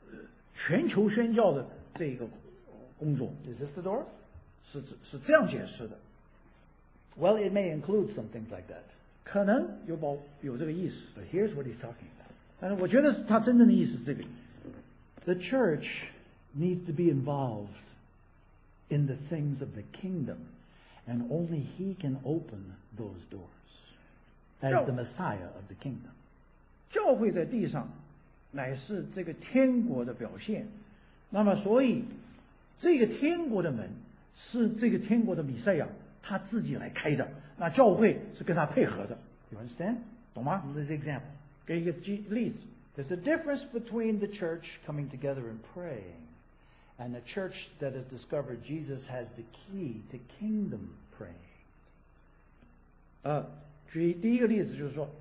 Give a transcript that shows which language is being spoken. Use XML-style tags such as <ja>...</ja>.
<zh>就是说,在那个19世纪以前,神没有开过这样的一个全球宣教的这一个工作。</zh> <en>Is this the door?</en> <zh>是这样解释的。</zh> <en>Well, it may include some things like that.</en> <zh>可能有这个意思。</zh> <en>But here's what he's talking about.</en> <zh>但是我觉得他真正的意思是这个。</zh> <en>The church needs to be involved in the things of the kingdom, and only he can open those doors as the Messiah of the kingdom.</en> <zh>教会在地上乃是这个天国的表现。那么所以这个天国的门是这个天国的弥赛亚。他自己来开的,那教会是跟他配合的。</zh> <en>You understand?</en> <zh>懂吗?</zh> <en>This example.</en> <zh>给一个例子。</zh> <en>There's a difference between the church coming together and praying and the church that has discovered Jesus has the key to kingdom praying.</en>